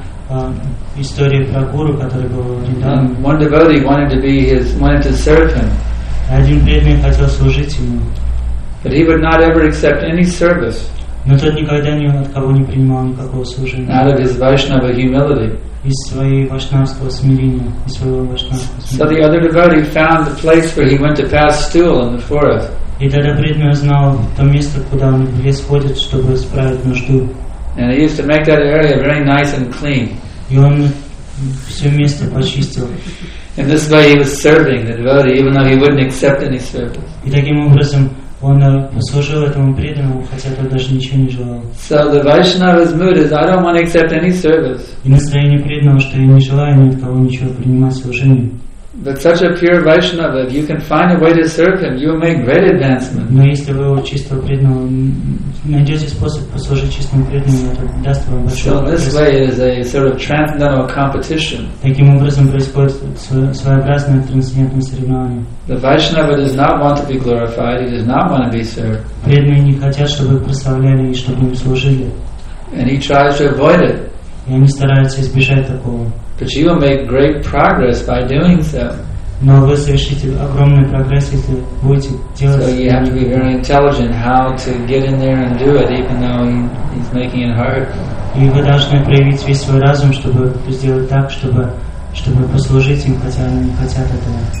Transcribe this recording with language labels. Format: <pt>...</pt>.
<en>One devotee wanted to serve him. But he would not ever accept any service out of his Vaishnava humility. So the other devotee found the place where he went to pass stool in the forest.</en> <ru>И тогда преданный узнал то место, куда он в лес ходит, чтобы справить нужду.</ru> <en>And he used to make that area very nice and clean.</en> <ru>И он все место почистил.</ru> <en>In this way he was serving the devotee, even though he wouldn't accept any service.</en> <ru>И таким образом он послужил этому преданному, хотя тот даже ничего не желал.</ru> <en>So the Vaishnava's mood is, I don't want to accept any service.</en> <ru>И настроение преданного, что я не желаю ни от кого ничего принимать служение.</ru> <en>But such a pure Vaishnava, if you can find a way to serve him, you will make great advancement.</en> <ru>Но если вы чисто преданного найдете способ послужить чистому преданному, это даст вам большой.</ru> <en>So this way is a sort of transcendental competition.</en> <ru>Таким образом происходит своеобразное трансцендентное соревнование.</ru> <en>The Vaishnava does not want to be glorified. He does not want to be served.</en> <ru>Преданные не хотят, чтобы прославляли и чтобы им служили.</ru> <en>And he tries to avoid it.</en> <ru>И они стараются избежать такого.</ru> <en>But you will make great progress by doing so.</en> <ru>Но вы совершите огромный прогресс, если будете делать.</ru> <en>So you have to be very intelligent how to get in there and do it, even though he's making it hard.</en> <ru>И вы должны проявить весь свой разум, чтобы сделать так, чтобы послужить им, хотя они не хотят этого.</ru>